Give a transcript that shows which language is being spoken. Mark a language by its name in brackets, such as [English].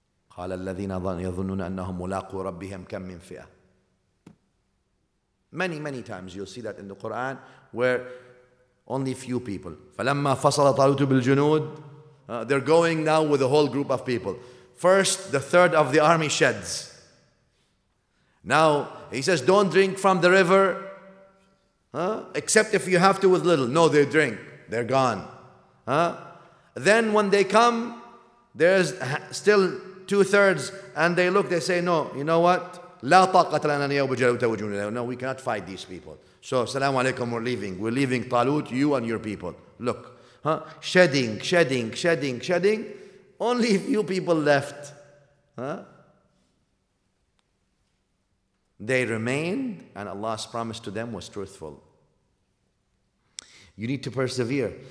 [Arabic] قال الذين يظنون أنهم ملاقو ربهم كم من فئة. [English] Many times you'll see that in the Quran where only few people. [Arabic] فلما فصل طالوت بالجنود. [English] They're going now with a whole group of people. First, the third of the army sheds. Now, he says, don't drink from the river, huh? Except if you have to with little. No, they drink. They're gone. Huh? Then when they come, there's still two-thirds, and they look, they say, no, you know what? [Arabic] لا طاقة لنا اليوم جل وتوجهنا. [English] No, we cannot fight these people. So, salamu alaikum, we're leaving. We're leaving Talut, you and your people. Look, huh? Shedding. Only a few people left. Huh? They remained, and Allah's promise to them was truthful. You need to persevere.